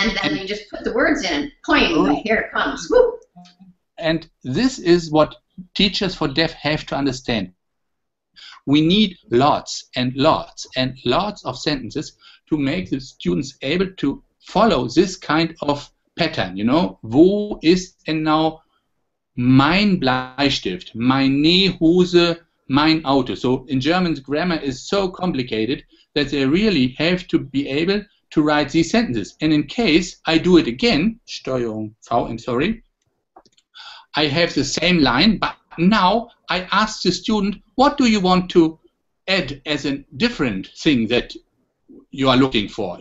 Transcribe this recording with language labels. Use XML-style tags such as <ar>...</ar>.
<en>And then and you just put the words in, point, right. Here it comes. Woo. And this is what teachers for deaf have to understand. We need lots and lots and lots of sentences to make the students able to follow this kind of pattern, you know.</en> <de>Wo ist denn</de> <en>now</en> <de>mein Bleistift, meine Hose, mein Auto?</de> <en>So in German, grammar is so complicated that they really have to be able to write these sentences. And in case I do it again, Steuerung V, I'm sorry, I have the same line, but now I ask the student, what do you want to add as a different thing that you are looking for?</en>